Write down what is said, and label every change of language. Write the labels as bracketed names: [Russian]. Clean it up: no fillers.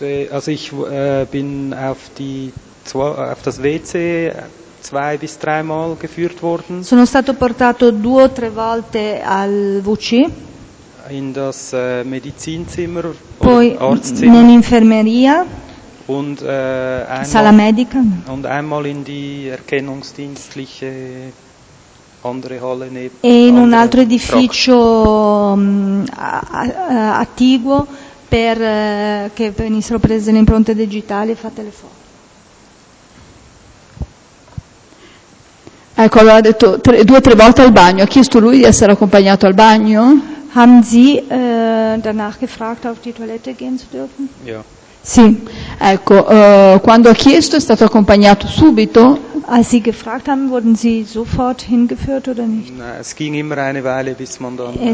[German] Also ich bin auf das WC 2-3 Mal geführt worden. [Italian] Sono stato portato 2 o 3 volte al WC. [German] In das Medizinzimmer. [Italian] Poi nell'infermeria. [German] Und einmal. [Italian] Sala medica. [German] Und einmal in die erkennungsdienstliche andere Halle neben. [Italian] E in un altro edificio attiguo per che venissero prese le impronte digitali e fatte le foto. Ecco, allora ha detto 2 o 3 volte al bagno. Ha chiesto lui di essere accompagnato al bagno? [German] Haben Sie danach gefragt, auf die Toilette gehen zu dürfen? Ja. [Italian] Sì, ecco, quando ha chiesto è stato accompagnato subito? [German] Als Sie gefragt haben, wurden Sie sofort hingeführt oder nicht? No, es ging immer eine Weile, bis man dann...